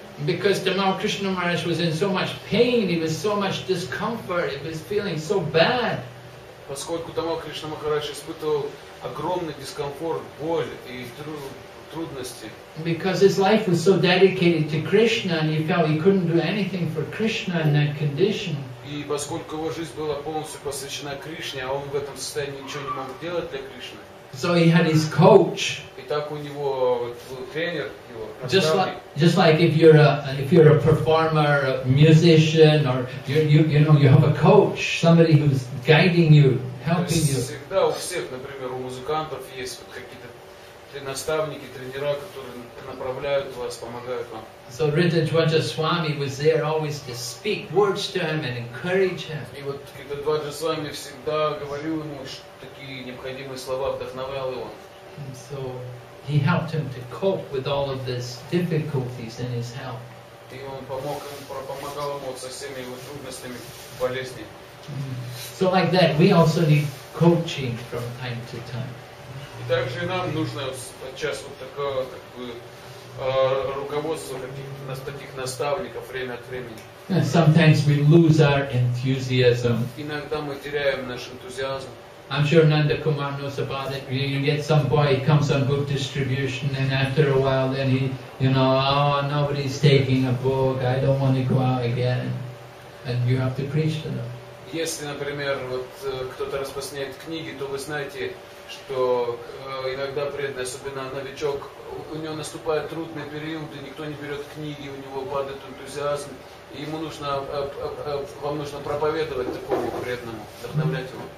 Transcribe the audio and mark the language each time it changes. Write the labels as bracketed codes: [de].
[en] Because Tamal Krishna Maharaj was in so much pain, he was so much discomfort, he was feeling so bad. [ru] Поскольку Tamal Krishna Maharaj испытывал огромный дискомфорт, боль и трудности. [en] Because his life was so dedicated to Krishna, and he felt he couldn't do anything for Krishna in that condition. [ru] И поскольку его жизнь была полностью посвящена Кришне, а он в этом состоянии ничего не мог делать для Кришны. [en] So he had his coach. [ru] И так у него был тренер его. [en] Just like if you're a performer, a musician, or you have a coach, somebody who's guiding you, helping you. [ru] Всегда у всех, например, у музыкантов есть вот какие-то наставники, тренера, которые направляют вас, помогают вам. [en] So Rita Dwaja Swami was there always to speak words to him and encourage him. [ru] И вот Rita Dwaja Swami всегда говорил ему такие необходимые слова, вдохновлял его. [en] So He helped him to cope with all of his difficulties in his health. [ru] И он помог ему, помогал ему со всеми его трудностями, болезнями. [en] So like that, we also need coaching from time to time. [ru] И также нам нужно сейчас вот такое как бы руководство таких наставников время от времени. [en] And sometimes we lose our enthusiasm. [ru] Иногда мы теряем наш энтузиазм. [en] I'm sure Nanda Kumar knows about it. You get some boy, he comes on book distribution, and after a while, then he, you know, oh, nobody's taking a book, I don't want to go out again. And you have to preach to them. [ru] Если, например, вот кто-то распространяет книги, то вы знаете, что иногда преданный, особенно новичок, у него наступает трудный период, и никто не берет книги, у него падает энтузиазм, и ему нужно, вам нужно проповедовать такому преданному, вдохновлять его.